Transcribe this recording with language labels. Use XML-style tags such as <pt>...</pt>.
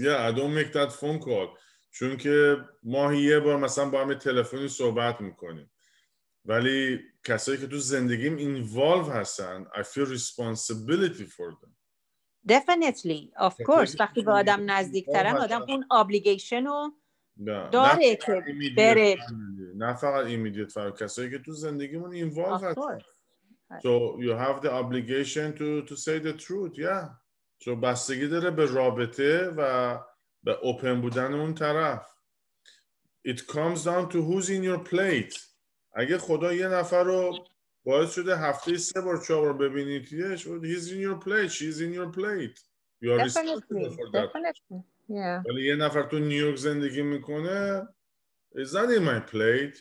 <en>I don't make that phone call.</en> <fa>چون که ماهی یه بار مثلا با هم تلفنی صحبت میکنیم، ولی کسایی که تو زندگیم involved هستن</fa> <en>I feel responsibility for them. Definitely, of course.</en> <fa>وقتی به آدم نزدیکترم آدم اون obligation رو داره که بره. نه فقط ایمیدیت، فقط کسایی که تو زندگیمون involved هستن.</fa> <en>So you have the obligation to say the truth, yeah.</en> <fa>So بستگی داره به رابطه و به open بودن اون طرف.</fa> <en>It comes down to who's in your plate.</en> <fa>اگه خدا یه نفر رو باعث شده هفته سه بار چهار بار ببینیدش،</fa> <en>he's in your plate,</en> <fa>she's in your plate.</fa> <en>You are responsible for that. Yeah.</en> <fa>ولی یه نفر تو نیویورک زندگی میکنه،</fa> <en>is that in my plate?</en>